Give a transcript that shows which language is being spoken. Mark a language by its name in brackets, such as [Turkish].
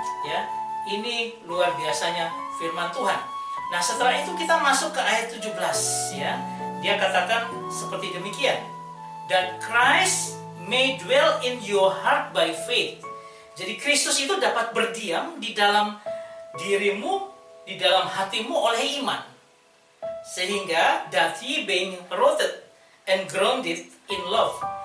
[Indonesian] Ya, ini luar biasanya firman Tuhan. Nah, setelah itu kita masuk ke ayat 17, ya. Dia katakan seperti demikian. [English] That Christ may dwell in your heart by faith. [Indonesian] Jadi Kristus itu dapat berdiam di dalam dirimu, di dalam hatimu oleh iman. [English] Sehingga that he being rooted and grounded in love.